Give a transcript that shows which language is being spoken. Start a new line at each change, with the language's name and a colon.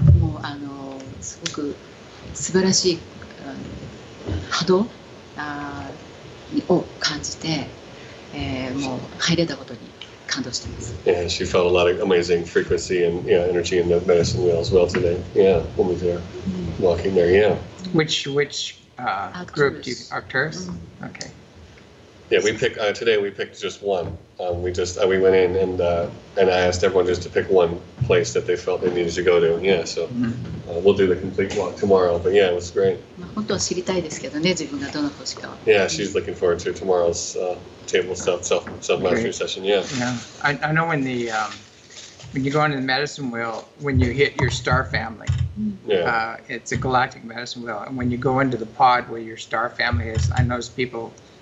Japanese: もうすごく素晴らしい波動を感じて、もう入れたことに感動しています。
English: Yeah, she felt a lot of amazing frequency and yeah, energy in the medicine wheel as well today. Yeah, when we were walking there, yeah. Which group do you, Arcturus?、 Mm-hmm. Okay. Yeah, we picked just one. We went in and I asked everyone just to pick one place that they felt they needed to go to. Yeah, so we'll do the complete walk tomorrow. But yeah, it was great.
Japanese: 本当は知りたいですけどね、自分がどの星か。
English: Yeah, she's looking forward to tomorrow's table self-mastery session. Yeah. Yeah. I know when you go into the medicine wheel, when you hit your star family, it's a galactic medicine wheel. And when you go into the pod where your star family is, I notice people...